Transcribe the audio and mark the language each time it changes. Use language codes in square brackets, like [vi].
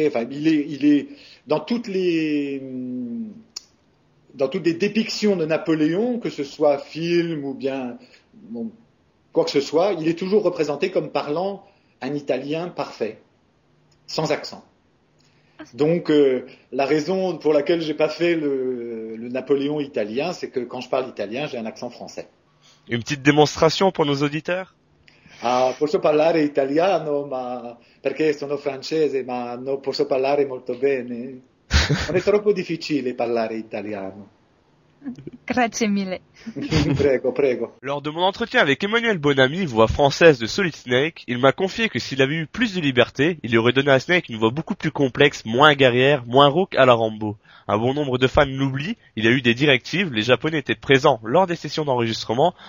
[fr] Enfin, il est dans toutes les dépictions de Napoléon, que ce soit film ou bien bon, quoi que ce soit, il est toujours représenté comme parlant un italien parfait, sans accent. Donc, la raison pour laquelle j'ai pas fait le Napoléon italien, c'est que quand je parle italien, j'ai un accent français. Une petite démonstration pour nos auditeurs? [it] Ah, posso parlare italiano, ma perché sono francese, ma non posso parlare molto bene. Non è troppo difficile parlare italiano. Grazie mille. Prego, prego. [fr] Lors de mon entretien avec Emmanuel Bonamy, voix française de Solid Snake, il m'a confié que s'il avait eu plus de liberté, il aurait donné à Snake une voix beaucoup plus complexe, moins guerrière, moins rauque à la Rambo. Un bon nombre de fans l'oublient, il y a eu des directives, les Japonais étaient présents lors des sessions d'enregistrement.